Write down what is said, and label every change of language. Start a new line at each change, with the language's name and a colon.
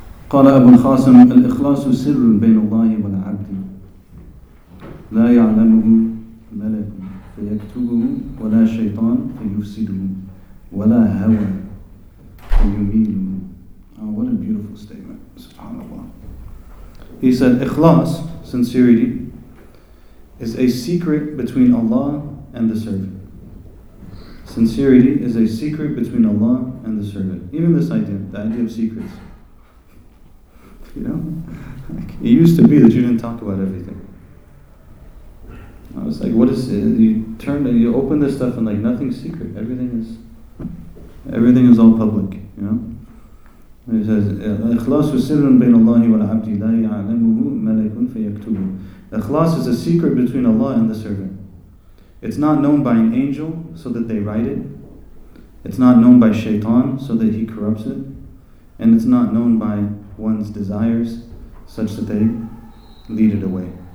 Arabic: قال أبو الخاسم الإخلاص سر بين الله والعبد لا يعلمه ملك فيكتبه ولا شيطان فيفسده ولا هوى فيميله.
English: Oh, what a beautiful statement, subhanAllah. He said, إخلاص, sincerity, is a secret between Allah and the servant. Sincerity is a secret between Allah and the servant. Even this idea, the idea of secrets. You know? Like, it used to be that you didn't talk about everything. I was like, what is it? You turn and you open this stuff and like nothing's secret. Everything is all public, you know? He says,
Arabic: إخلاص سر بين الله والعبد لا يعلمه ملك فيكتبه.
English: إخلاص is a secret between Allah and the servant. It's not known by an angel so that they write it. It's not known by shaitan so that he corrupts it. And it's not known by one's desires such that they lead it away.